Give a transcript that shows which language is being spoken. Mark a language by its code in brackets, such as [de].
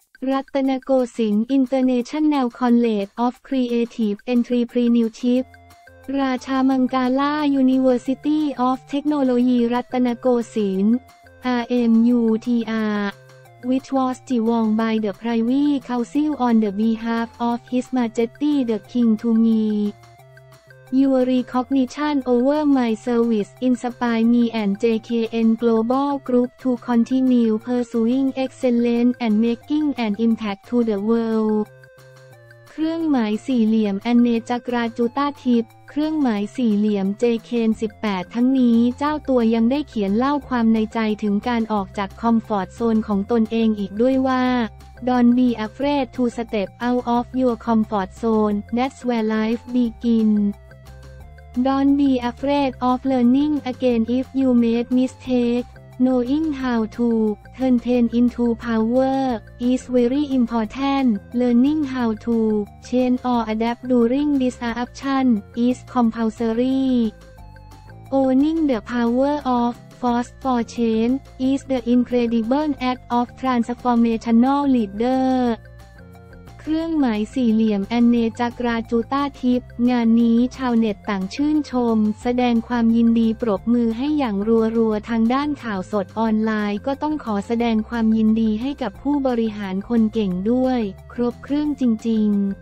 [en] รัตนโกสินทร์ International College of Creative Entrepreneurship ราชามังกาลา University of Technology รัตนโกสินทร์ RMUTRWhich was given by the Privy Council on the behalf of His Majesty the King to me. Your recognition over my service inspired me and JKN Global Group to continue pursuing excellence and making an impact to the world. [th] เครื่องหมายสี่เหลี่ยมอเนจกราจูตาทิพย์เครื่องหมายสี่เหลี่ยม JKN 18ทั้งนี้เจ้าตัวยังได้เขียนเล่าความในใจถึงการออกจากคอมฟอร์ตโซนของตนเองอีกด้วยว่า [en] Don't be afraid to step out of your comfort zone That's where life begins Don't be afraid of learning again if you made mistakeKnowing how to turn pain into power is very important. Learning how to change or adapt during disruption is compulsory. Owning the power of force for change is the incredible act of transformational leader. [th] เครื่องหมายสี่เหลี่ยมอเนจกราจูตาทิพย์งานนี้ชาวเน็ตต่างชื่นชมแสดงความยินดีปรบมือให้อย่างรัวๆทางด้านข่าวสดออนไลน์ก็ต้องขอแสดงความยินดีให้กับผู้บริหารคนเก่งด้วยครบเครื่องจริงๆ